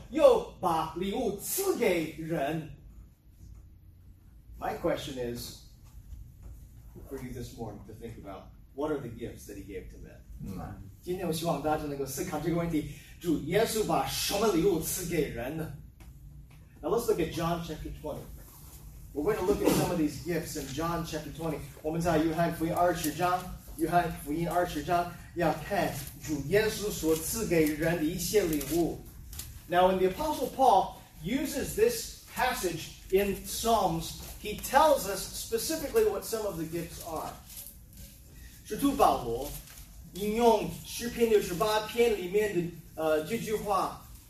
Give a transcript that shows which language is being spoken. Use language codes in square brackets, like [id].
[zh] 他也说主耶稣已经升上高天以后他就领受又把礼物赐给人。 [en] My question is for you this morning to think about, what are the gifts that he gave to men? Mm-hmm. [zh] 今天我希望大家能够思考这个问题，主耶稣把什么礼物赐给人呢？ [en] Now let's look at John chapter 20. We're going to look at some of these gifts in John chapter 20. [zh] 我们在约翰福音二十章，要看主耶稣所赐给人的一些礼物。 [en] Now when the Apostle Paul uses this passage in Psalms, he tells us specifically what some of the gifts are. [zh] 使徒保罗引用诗篇68篇里面的这句话。